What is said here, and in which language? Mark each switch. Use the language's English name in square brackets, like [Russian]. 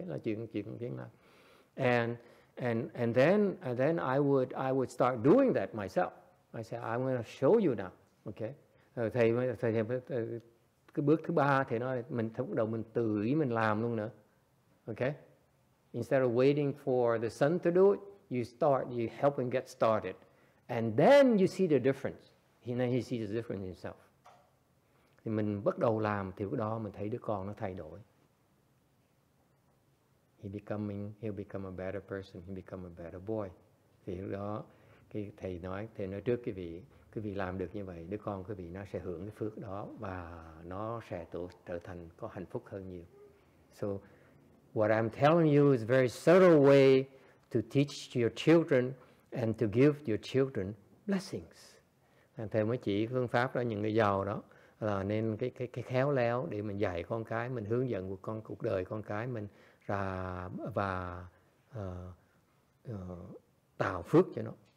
[Vietnamese] Là chuyện nào. [English] And then I would start doing that myself. I said, I'm going to show you now, okay? [Vietnamese] Thầy cái bước thứ ba thì nói mình thúc đầu mình tự ý mình làm luôn nữa, okay? [English] Instead of waiting for the son to do it, you help him get started, and then you see the difference. He sees the difference himself. [Vietnamese] Thì mình bắt đầu làm thì lúc đó mình thấy đứa con nó thay đổi. [English] He'll become a better person. He'll become a better boy. [Vietnamese] Thì lúc đó cái thầy nói trước cái vị làm được như vậy, đứa con cái vị nó sẽ hưởng cái phước đó và nó sẽ trở thành có hạnh phúc hơn nhiều. [English] So what I'm telling you is a very subtle way to teach your children and to give your children blessings. [Vietnamese] Thầy mới chỉ phương pháp đó những người giàu đó là nên cái khéo léo để mình dạy con cái mình, hướng dẫn cuộc đời con cái mình ra và tạo phước cho nó.